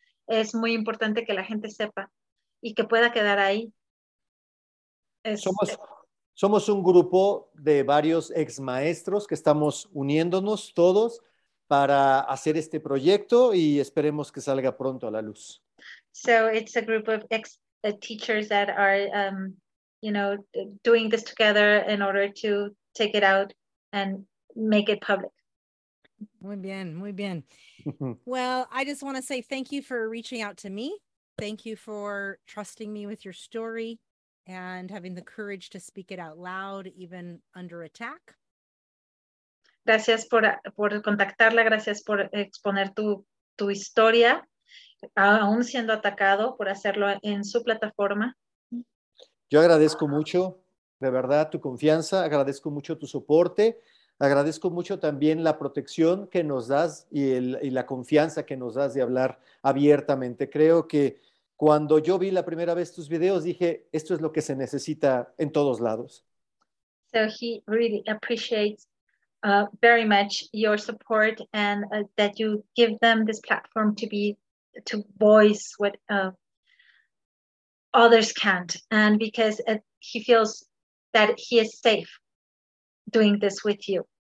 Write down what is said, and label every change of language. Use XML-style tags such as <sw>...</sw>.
<es>Es muy importante que la gente sepa y que pueda quedar ahí. Somos un grupo de varios ex maestros que estamos uniéndonos todos para hacer este proyecto y esperemos que salga pronto a la luz.</es> <en>So it's a group of ex teachers that are, you know, doing this together in order to take it out and make it public.</en> <es>Muy bien, muy bien.</es> <en>Well, I just want to say thank you for reaching out to me. Thank you for trusting me with your story and having the courage to speak it out loud, even under attack.</en> <es>Gracias por contactarla. Gracias por exponer tu historia, aún siendo atacado, por hacerlo en su plataforma. Yo agradezco mucho, de verdad, tu confianza. Agradezco mucho tu soporte. Agradezco mucho también la protección que nos das y la confianza que nos das de hablar abiertamente. Creo que cuando yo vi la primera vez tus videos, dije, esto es lo que se necesita en todos lados.</es> <en>So he really appreciates very much your support and that you give them this platform to voice what others can't. And because he feels that he is safe doing this with you.</en>